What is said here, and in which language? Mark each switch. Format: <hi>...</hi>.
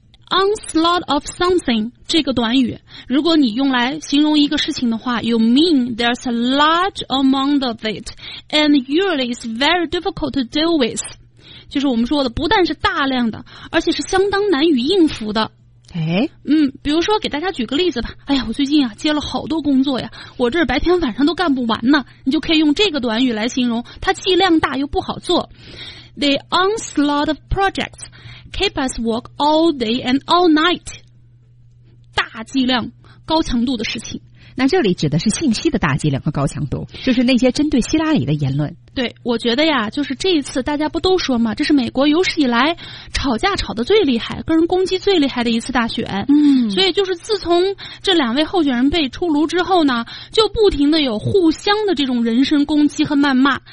<en>onslaught of something</en> <zh>这个短语，如果你用来形容一个事情的话，</zh> <en>you mean there's a large amount of it and usually it's very difficult to deal with，</en> <zh>就是我们说的不但是大量的，而且是相当难以应付的。哎，嗯，比如说给大家举个例子吧。哎呀，我最近啊接了好多工作呀，我这白天晚上都干不完呢。你就可以用这个短语来形容它剂量大又不好做。</zh> <en>The onslaught of projects keep us work all day and all night.</en> <zh>大剂量高强度的事情。那这里指的是信息的大剂量和高强度，就是那些针对希拉里的言论。对，我觉得呀，就是这一次大家不都说嘛，这是美国有史以来吵架吵得最厉害、个人攻击最厉害的一次大选。嗯，所以就是自从这两位候选人被出炉之后呢，就不停的有互相的这种人身攻击和谩骂。</zh>